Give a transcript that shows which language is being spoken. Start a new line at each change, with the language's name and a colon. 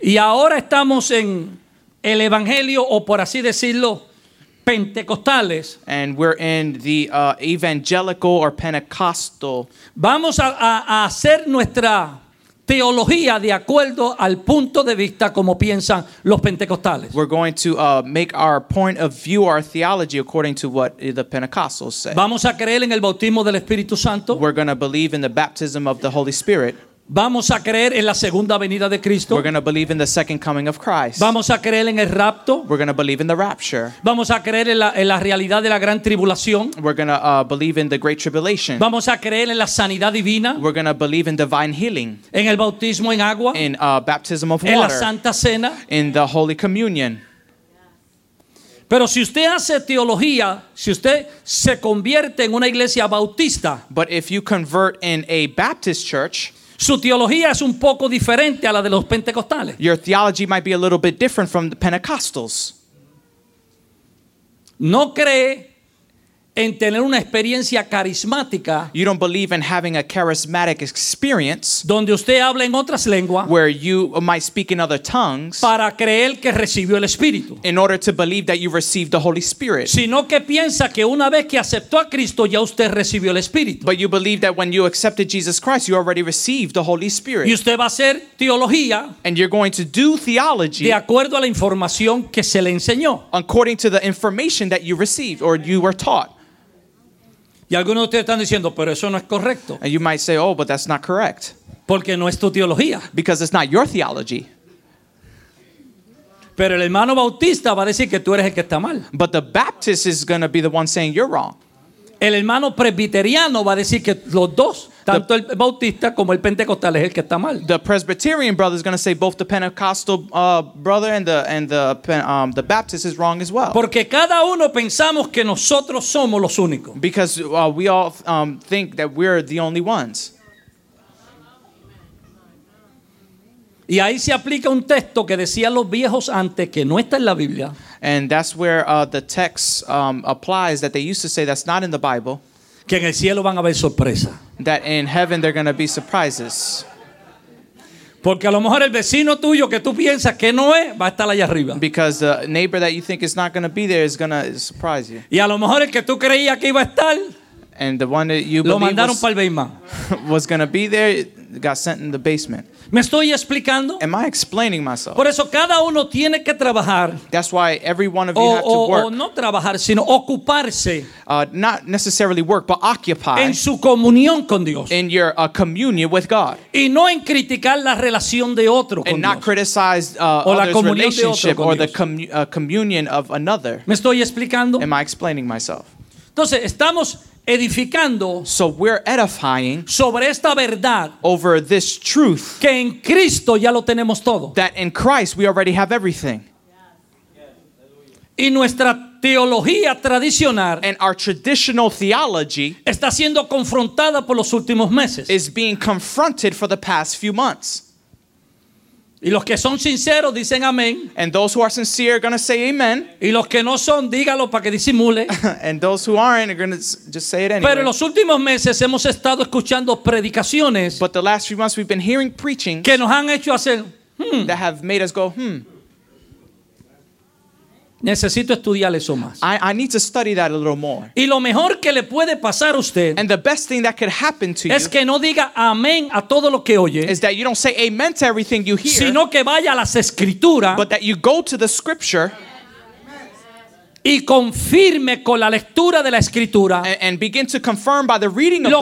Spanish: Y ahora estamos en el evangelio o por así decirlo pentecostales.
English: And we're in the evangelical or Pentecostal.
Spanish: Vamos a hacer nuestra teología de acuerdo al punto de vista como piensan los pentecostales.
English: We're going to make our point of view, our theology, according to what the Pentecostals say.
Spanish: Vamos a creer en el bautismo del Espíritu Santo.
English: We're going to believe in the baptism of the Holy Spirit.
Spanish: Vamos a creer en la segunda venida de Cristo.
English: We're going to believe in the second coming of Christ.
Spanish: Vamos a creer en el rapto.
English: We're going to believe in the rapture.
Spanish: Vamos a creer en la realidad de la gran tribulación.
English: We're going to believe in the great tribulation.
Spanish: Vamos a creer en la sanidad divina.
English: We're going to believe in divine healing.
Spanish: En el bautismo en agua.
English: In baptism of
Spanish: en
English: water.
Spanish: En la Santa Cena.
English: In the Holy Communion.
Spanish: Pero si usted hace teología, si usted se convierte en una iglesia bautista,
English: but if you convert in a Baptist church,
Spanish: su teología es un poco diferente a la de los pentecostales.
English: Your theology might be a little bit different from the Pentecostals.
Spanish: No cree en tener una experiencia carismática.
English: You don't believe in having a charismatic experience.
Spanish: Donde usted habla en otras lenguas.
English: Where you might speak in other tongues.
Spanish: Para creer que recibió el Espíritu.
English: In order to believe that you received the Holy Spirit.
Spanish: Sino que piensa que una vez que aceptó a Cristo ya usted recibió el Espíritu.
English: But you believe that when you accepted Jesus Christ you already received the Holy Spirit.
Spanish: Y usted va a hacer teología.
English: And you're going to do theology.
Spanish: De acuerdo a la información que se le enseñó.
English: According to the information that you received or you were taught.
Spanish: Y algunos de ustedes están diciendo, pero eso no es correcto.
English: And you might say, oh, but that's not correct.
Spanish: Porque no es tu teología.
English: Because it's not your theology.
Spanish: Pero el hermano bautista va a decir que tú eres el que está mal.
English: But the Baptist is going to be the one saying you're wrong.
Spanish: El hermano presbiteriano va a decir que los dos, tanto el bautista como el pentecostal, es el que está mal.
English: The Presbyterian brother is going to say both the Pentecostal brother and the Baptist is wrong as well.
Spanish: Porque cada uno pensamos que nosotros somos los únicos.
English: Because we all think that we're the only ones.
Spanish: Y ahí se aplica un texto que decían los viejos antes que no está en la Biblia.
English: And that's where the text applies that they used to say that's not in the Bible.
Spanish: Que en el cielo van a haber sorpresas.
English: That in heaven there are going to be surprises.
Spanish: Porque a lo mejor el vecino tuyo que tú piensas que no es va a estar allá arriba.
English: Because the neighbor that you think is not going to be there is going to surprise you.
Spanish: Y a lo mejor el que tú creías que iba a estar.
English: And the one that you
Spanish: lo mandaron para el Beisma.
English: Was going to be there got sent in the basement.
Spanish: ¿Me estoy explicando?
English: Am I explaining myself?
Spanish: Por eso cada uno tiene que trabajar.
English: That's why every one of you have to work.
Spanish: O no trabajar, sino ocuparse.
English: Not necessarily work, but occupy.
Spanish: En su comunión con Dios.
English: In your communion with God.
Spanish: Y no en criticar la relación de otro con
English: and
Spanish: Dios.
English: And not criticize others' relationship or
Spanish: Dios.
English: The communion of another.
Spanish: ¿Me estoy explicando?
English: Am I explaining myself?
Spanish: Entonces, estamos edificando,
English: so we're edifying
Spanish: sobre esta verdad,
English: over this truth,
Spanish: que en Cristo ya lo tenemos todo,
English: that in Christ we already have everything.
Spanish: Y nuestra teología tradicional,
English: and our traditional theology,
Spanish: está siendo confrontada por los últimos meses,
English: is being confronted for the past few months.
Spanish: Y los que son sinceros dicen amén.
English: And those who are sincere are going to say amen.
Spanish: Y los que no son, dígalo para que disimule.
English: And those who aren't are going to just say it anyway.
Spanish: Pero en los últimos meses hemos estado escuchando predicaciones.
English: But the last few months we've been hearing preachings.
Spanish: Que nos han hecho hacer hmm.
English: That have made us go hmm.
Spanish: Necesito estudiar eso más.
English: I need to study that a little more.
Spanish: Y lo mejor que le puede pasar a usted.
English: And the best thing that could happen to
Spanish: es
English: you.
Spanish: Es que no diga amén a todo lo que oye.
English: Is that you don't say amen to everything you hear.
Spanish: Sino que vaya a las escrituras.
English: But that you go to the scripture.
Spanish: Y confirme con la lectura de la escritura.
English: And begin to confirm by the reading of the word.